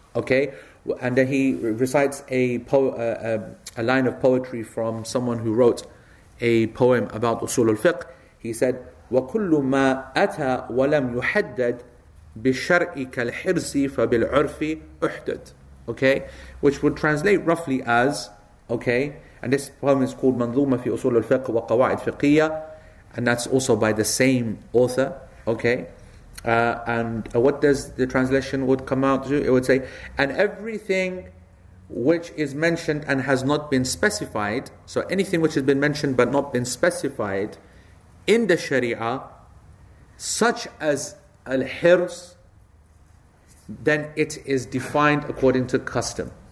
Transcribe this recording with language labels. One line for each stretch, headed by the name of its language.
English: Okay, and then he recites a line of poetry from someone who wrote a poem about usul al-fiqh. He said,
Arabic: وَكُلُّ مَا أَتَى وَلَمْ يُحَدَّدْ بِشَرْئِكَ الْحِرْزِ فَبِالْعُرْفِ أُحْدَدْ.
English: Okay, which would translate roughly as, okay, and this poem is called
Arabic: مَنْظُومَ فِي أُصُولُ الْفِقْهِ وَقَوَاعِدْ فِقِيَّةِ,
English: and that's also by the same author, okay. And what does the translation would come out to? It would say, and everything which is mentioned and has not been specified, so anything which has been mentioned but not been specified in the Sharia, such as al-hirs, then it is defined according to custom.